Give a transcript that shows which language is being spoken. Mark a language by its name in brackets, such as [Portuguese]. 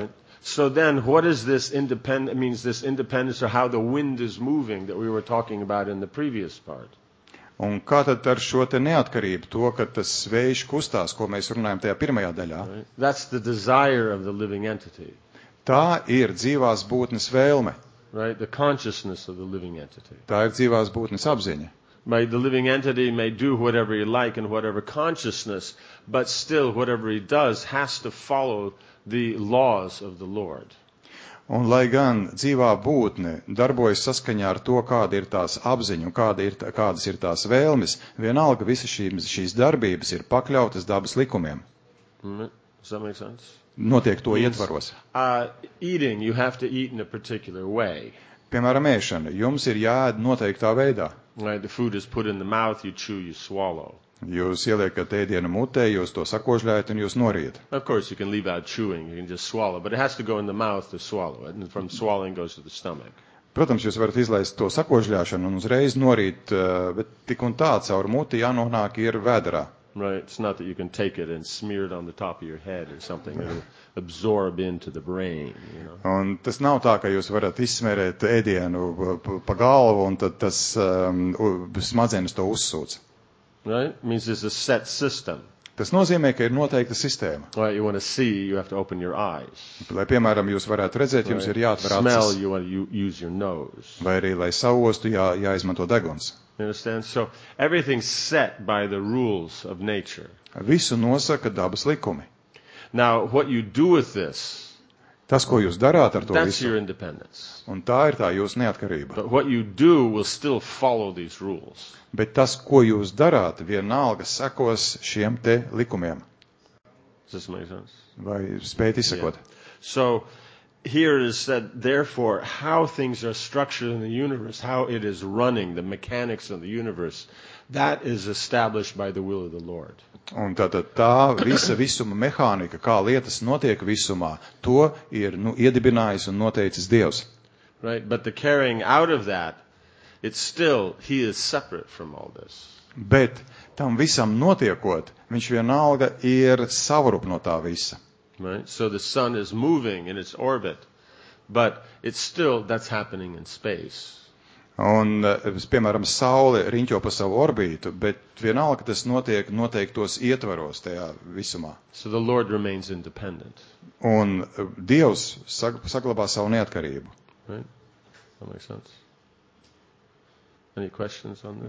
[English] Right. So then, what is this independence, means this independence, or how the wind is moving that we were talking about in the previous part? [Latvian] Un kā tad ar šo te neatkarību, to, ka tas vējš kustās, ko mēs runājam tajā pirmajā daļā? [English] Right. That's the desire of the living entity. [Latvian] Tā ir dzīvās būtnes vēlme. [English] Right, the consciousness of the living entity. [Latvian] Tā ir dzīvās būtnes apziņa. [English] May the living entity may do whatever he like and whatever consciousness, but still whatever he does has to follow the laws of the Lord. [Latvian] Un lai gan dzīvā būtne darbojas saskaņā ar to, kāda ir tās apziņa un kādas ir tās vēlmes, vienalga visi šīs darbības ir pakļautas dabas likumiem. [English] Does that make sense? [Latvian] Notiek to ietvaros. [English] Eating, you have to eat in a particular way. [Latvian] Piemēram, ēšana. Jums ir jāēd noteiktā veidā. [English] Right, the food is put in the mouth, you chew, you swallow. [Latvian] Jūs ieliekat ēdienu mutē, jūs to sakožļājat un jūs noriet. [English] Of course, you can leave out chewing, you can just swallow, but it has to go in the mouth to swallow it, and from swallowing goes to the stomach. [Latvian] Protams, jūs varat izlaist to sakožļāšanu un uzreiz norīt, bet tik un tā caur muti jānonāk ir vēderā. [English] Right, it's not that you can take it and smear it on the top of your head or something and absorb into the brain, you know. [Latvian] Un tas nav tā, ka jūs varat izsmērēt ēdienu pa galvu un tad tas smadzenes to uzsūc. [English] Right, means it's a set system. [Latvian] Tas nozīmē, ka ir noteikta sistēma. [English] Right, you want to see, you have to open your eyes. [Latvian] Lai, piemēram, jūs varētu redzēt, jums ir jāatver acis. [English] Smell, you want to use your nose. [Latvian] Vai arī, lai saostu, jāizmanto deguns. [English] You understand? So, everything's set by the rules of nature. [Latvian] Visu nosaka dabas likumi. [English] Now, what you do with this, [Latvian] Tas, ko jūs darāt ar to [English] That's [Latvian] visu. [English] Your independence. [Latvian] Un tā ir tā jūsu neatkarība. [English] But what you do will still follow these rules. [Latvian] Bet tas, ko jūs darāt, vienalga sekos šiem te likumiem. [English] Does this make sense? [Latvian] Vai spēt izsakot? [English] Yeah. So, here it is said, therefore, how things are structured in the universe, how it is running, the mechanics of the universe, that is established by the will of the Lord. [Latvian] Un tad tā visa visuma mehānika, kā lietas notiek visumā, to ir nu iedibinājis un noteicis Dievs. [English] Right, but the carrying out of that, it's still, he is separate from all this. [Latvian] Bet tam visam notiekot, viņš vienalga ir savrup no tā visa. [English] Right, so the sun is moving in its orbit, but it's still, that's happening in space. [Latvian] Un, piemēram, Saule riņķo pa savu orbītu, bet vienalga tas notiek noteiktos ietvaros tajā visumā. [English] So the Lord remains independent. [Latvian] Un Dievs saglabā savu neatkarību. [English] Right? That makes sense. Any questions on this?